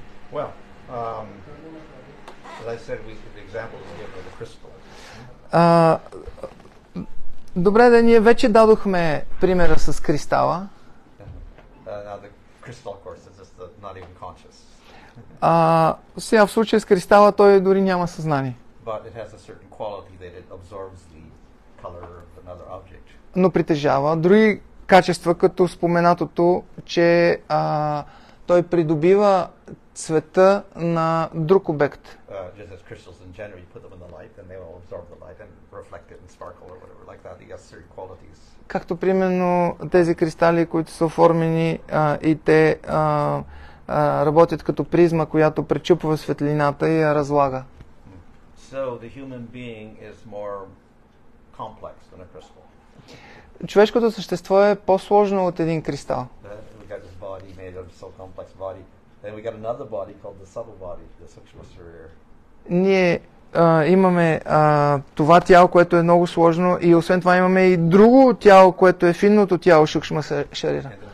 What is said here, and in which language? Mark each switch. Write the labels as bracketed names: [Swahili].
[English] Well, as I said, we give examples here for the crystal. [Bulgarian] Добре, да, ние вече дадохме примера с кристала. [English] The crystal, of course, is just not even conscious. [Bulgarian] Сега в случая с кристала той дори няма съзнание. [English] But it has a certain quality that it absorbs the color of another object. [Bulgarian] Но притежава други качества, като споменатото, че той придобива цвета на друг обект. [English] Just as crystals in general, you put them in the light and they will absorb the light and reflect it and sparkle or whatever like that. He has certain qualities. [Bulgarian] Както примерно тези кристали, които са оформени и те работят като призма, която пречупва светлината и я разлага. [English] So the human being is more complex than a crystal. [Bulgarian] Човешкото същество е по-сложно от един кристал. [English] We got this body made of so complex body. Then we got another body called the subtle body, the sukshma sarira. [Bulgarian] Ние имаме това тяло, което е много сложно, и освен това имаме и друго тяло, което е финното тяло, сукшма шарира.